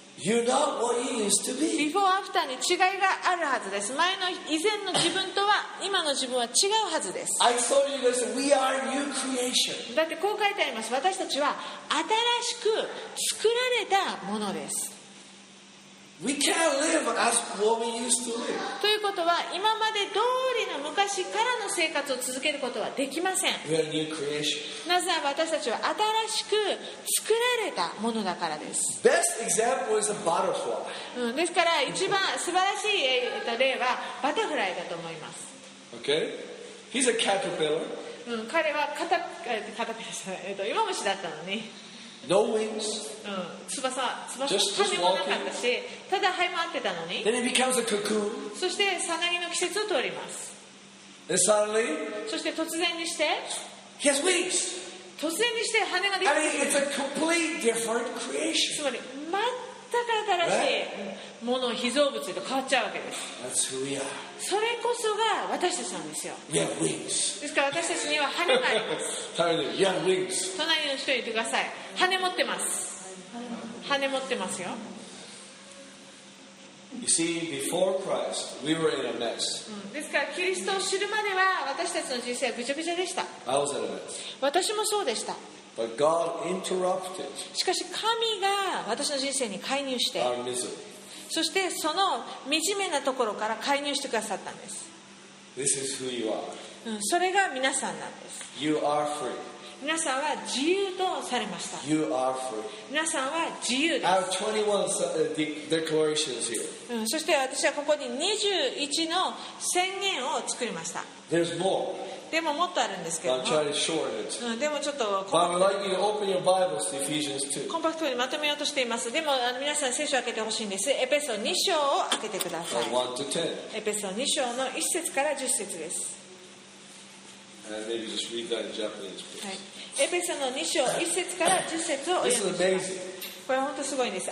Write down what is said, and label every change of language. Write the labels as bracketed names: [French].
[English] You're not what you used to be. Before after [Japanese] に違いがあるはずです。前の以前の自分とは今の自分は違うはずです。 [English] I told you this. We are new creation. [Japanese] だってこう書いてあります。私たちは新しく作られたものです。 [English] We can't live as what we used to live. [Japanese] ということは今まで通りの昔からの生活を続けることはできません。 [English] We are a new creation. [Japanese] なぜなら私たちは新しく作られたものだからです。 [English] Best example is a butterfly. [Japanese] ですから一番素晴らしい例はバタフライだと思います。 [English] Okay. He's a caterpillar. [Japanese] 彼はカタピラじゃない、イモムシだったのに、 [English] No wings. [Japanese] 翼もなかったし、ただ這い回ってたのに。 [English] Then he becomes a cocoon. [Japanese] そしてさなぎの季節を通ります。 [English] And suddenly, [Japanese] そして突然にして、 [English] he has wings. [Japanese] 突然にして羽ができ [English] る。I mean, it's a completely different creation. [Japanese] つまり全く新しいもの、被造物と変わっちゃうわけです。 [English] That's who we are. [Japanese] それこそが私たちなんですよ。 [English] We have wings. [Japanese] ですから私たちには羽があります。 [English] Totally. You have wings. [Japanese] 隣の人に言ってください。羽持ってます。羽持ってますよ。 [English] You see, before Christ, we were in a mess. [Japanese] ですからキリストを知るまでは私たちの人生はぐちゃぐちゃでした。 [English] I was in a mess. [Japanese] 私もそうでした。 [English] But God interrupted. [Japanese] しかし神が私の人生に介入して、 [English] our misery. [Japanese] そしてその惨めなところから介入してくださったんです。 [English] This is who you are. [Japanese] それが皆さんなんです。 [English] You are free. [Japanese] 皆さんは自由とされました。 [English] you are free. [Japanese] 皆さんは自由です。 [English] I have 21 declarations here. [Japanese] そして私はここに21の宣言を作りました。 [English] There's more. [Japanese] でももっとあるんですけども、 [English] I'm trying to shorten it. [Japanese] でもちょっと [English] But I'd like you to open your Bibles to Ephesians 2. [Japanese] コンパクトにまとめようとしています。でも皆さん聖書を開けてほしいんです。エペソ2章を開けてください。 [English] 1 to 10. [Japanese] エペソ2章の1節から10節です。エペソの2章1節から10節をお読みします。これは本当にすごいんです。